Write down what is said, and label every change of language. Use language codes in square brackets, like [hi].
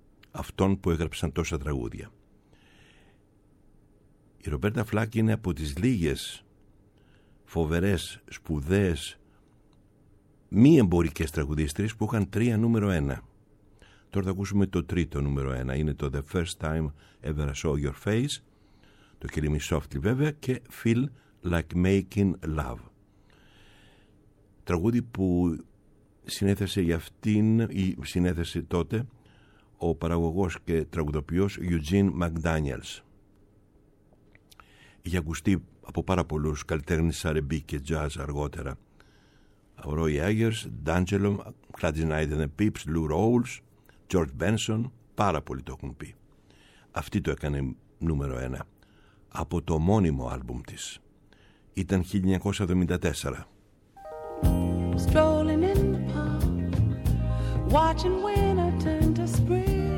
[el] Αυτών που έγραψαν τόσα τραγούδια. Η Ρομπέρτα Φλακ είναι από τις λίγες φοβερές, σπουδαίες, μη εμπορικές τραγουδίστρες που είχαν τρία νούμερο ένα. Τώρα θα ακούσουμε το τρίτο νούμερο ένα. Είναι το «The first time ever I saw your face», το «Kill me softly» βέβαια, και «Feel like making love». Τραγούδι που συνέθεσε για αυτήν ή συνέθεσε τότε ο παραγωγός και τραγουδοποιός Eugene McDaniels. Είχε ακουστεί από πάρα πολλούς καλλιτέχνες R&B και jazz αργότερα. Roy Ayers, D'Angelo, Gladys Knight and the Pips, Lou Rawls, George Benson, πάρα πολλοί το έχουν πει. Αυτή το έκανε νούμερο ένα από το μόνιμο άλμπουμ της. Ήταν 1974. [en] Strolling in the park, watching winter turn to spring.